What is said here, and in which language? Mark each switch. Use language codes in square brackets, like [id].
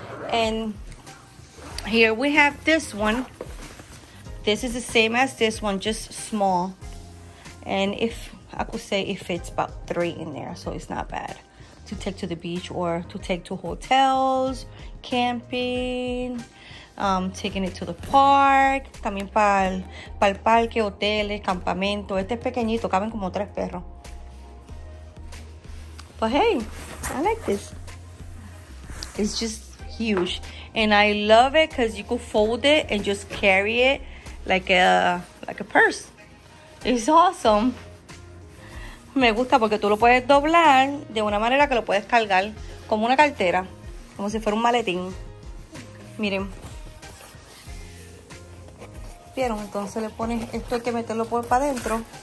[en] And here we have this one. This is the same as this one, just small. And if I could say it fits about 3 in there, so it's not bad to take to the beach or to take to hotels, camping. Taking it to the park, [es] también para el parque, hoteles, campamento. Este es pequeñito, caben como 3 perros. [en] But hey, I like this. It's just huge. And I love it because you could fold it and just carry it like a purse. It's awesome. [es] Me gusta porque tú lo puedes doblar de una manera que lo puedes cargar como una cartera, como si fuera un maletín. Miren. ¿Vieron? Entonces le pones esto, hay que meterlo por para adentro.